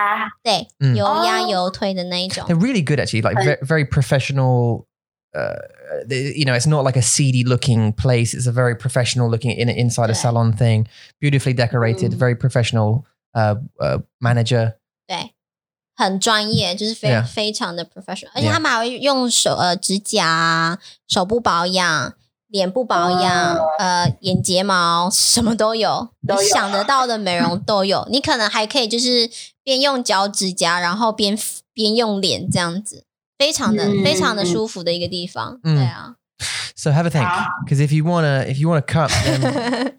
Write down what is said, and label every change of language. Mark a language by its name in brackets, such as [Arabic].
[Chinese] 对啊，不过我觉得他们那地方很好的是，他们是真的专业的。他们其实没有像刮痧那种东西，所以如果你可能去，你想要期待刮痧是没有的，他们是真的是油推，对，油压油推的那一种。 [English] They're really good actually, like very professional. You know, it's not like a seedy looking place. It's a very professional looking inside a salon thing. Beautifully decorated, very professional manager. [Chinese] 对，很专业，就是非常的professional。而且他们还会用手指甲、手部保养、脸部保养、眼睫毛，什么都有。你想得到的美容都有。你可能还可以就是边用脚指甲，然后边用脸这样子。非常的舒服的一个地方, 对啊。So [English] have a think, because if you wanna come, then